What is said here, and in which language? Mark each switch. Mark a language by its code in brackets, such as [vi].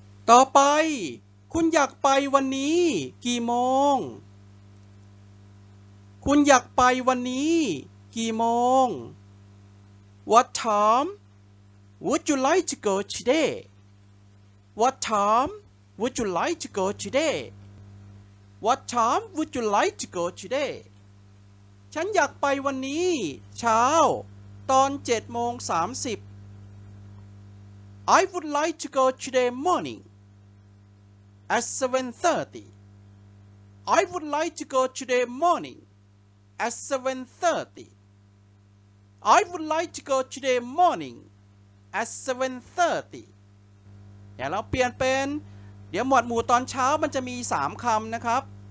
[th] ต่อไปคุณอยากไปวันนี้กี่โมงคุณอยากไปวันนี้กี่โมง [en] What time would you like to go today? What time would you like to go today? What time would you like to go today? [th] ฉันอยากไปวันนี้เช้าตอน 7:30 [en] I would like to go today morning at 7:30 I would like to go today morningAt 7:30 I would like to go today morning at 7:30 [th] เดี๋ยวเราเปลี่ยนเป็นเดี๋ยวหมวดหมู่ตอนเช้ามันจะมี3คำนะครับ